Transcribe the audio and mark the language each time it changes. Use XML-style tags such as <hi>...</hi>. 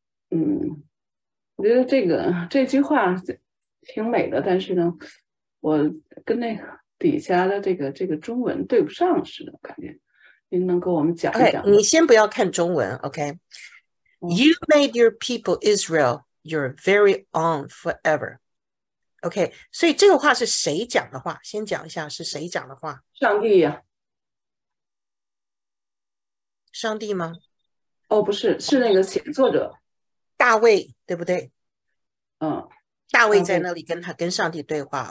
<zh>我觉得这句话挺美的，但是呢，我跟那底下的这个中文对不上似的，感觉。您能给我们讲一讲？ Okay， 你先不要看中文 ，OK？</zh> <en>You made your people Israel your very own forever。</en> <zh>OK， 所以这个话是谁讲的话？先讲一下是谁讲的话。上帝呀、啊，上帝吗？哦，不是，是那个写作者大卫，对不对？嗯，大卫在那里跟上帝对话。</zh>